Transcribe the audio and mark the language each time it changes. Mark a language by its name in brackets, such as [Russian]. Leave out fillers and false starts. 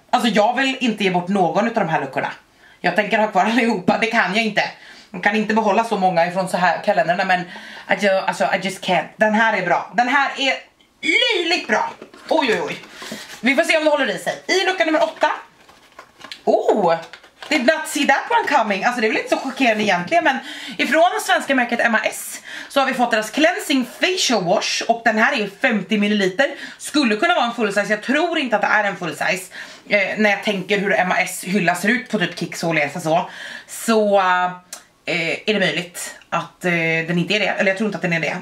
[Swedish] Alltså jag vill inte ge bort någon av de här luckorna. Jag tänker ha kvar allihopa, det kan jag inte. Man kan inte behålla så många ifrån så här kalendrarna, men [English] I just can't. [Swedish] Den här är bra, den här är löjligt bra. Oj. Vi får se om det håller i sig. I lucka nummer 8. [English] Oh, did not see that one coming. [Swedish] Alltså det är väl inte så chockerande egentligen, men ifrån det svenska märket MAS så har vi fått deras cleansing facial wash. Och den här är 50 ml. Skulle kunna vara en full size. Jag tror inte att det är en full size. När jag tänker hur MAS hylla ser ut på typ Kicks och läsa så. Så är det möjligt att den inte är det. Eller jag tror inte att den är det.